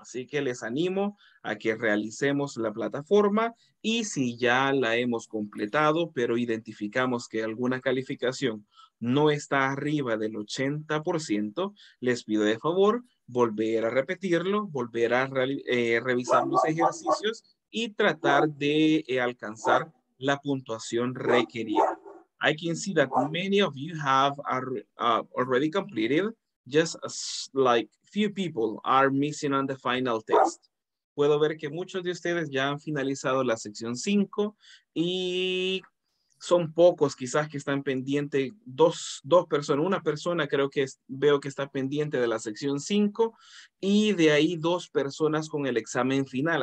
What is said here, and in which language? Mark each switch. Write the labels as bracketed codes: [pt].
[es] Así que les animo a que realicemos la plataforma y si ya la hemos completado, pero identificamos que alguna calificación no está arriba del 80%, les pido de favor volver a repetirlo, volver a revisar los ejercicios y tratar de alcanzar la puntuación requerida. [en] I can see that many of you have already completed. Just like few people are missing on the final test. [es] Puedo ver que muchos de ustedes ya han finalizado la sección 5 y son pocos quizás que están pendientes, una persona creo que veo que está pendiente de la sección 5 y de ahí dos personas con el examen final.